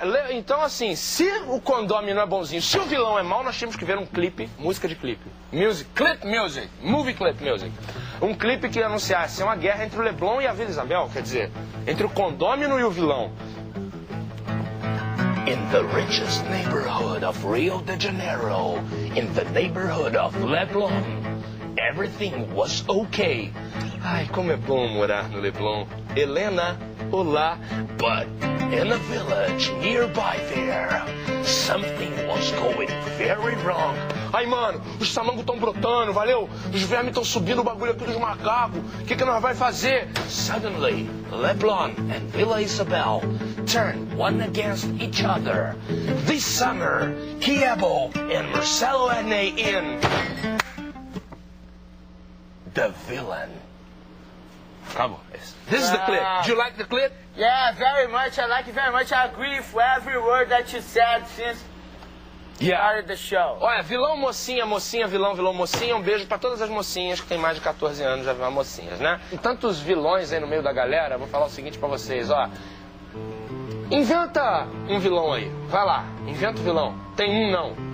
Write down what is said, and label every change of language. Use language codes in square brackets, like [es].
[pt] Então, assim, se o condômino é bonzinho, se o vilão é mau, nós tínhamos que ver um clipe, música de clipe. [en] Movie clip music. [pt] Um clipe que anunciasse uma guerra entre o Leblon e a Vila Isabel, quer dizer, entre o condômino e o vilão. [en] In the richest neighborhood of Rio de Janeiro, in the neighborhood of Leblon, everything was okay. [pt] Ai, como é bom morar no Leblon. Helena, olá. [en] But in a village nearby there, something was going very wrong. [pt] Ai, mano, os samangos estão brotando, valeu? Os vermes estão subindo, o bagulho aqui dos macacos. O que que nós vai fazer? [en] Suddenly, Leblon and Villa Isabel turn one against each other. This summer, Kiebo and Marcelo Adnet in The Villain. [pt] Acabou. [en] This is the clip. Do you like the clip? Yeah, very much. I like it very much. I agree with every word that you said since... Yeah. The show. [pt] Olha, vilão, mocinha, mocinha, vilão, vilão, mocinha. Um beijo pra todas as mocinhas que tem mais de 14 anos já viram mocinhas, né? E tantos vilões aí no meio da galera, vou falar o seguinte pra vocês, ó. Inventa um vilão aí. Vai lá, inventa o vilão. Tem um, não.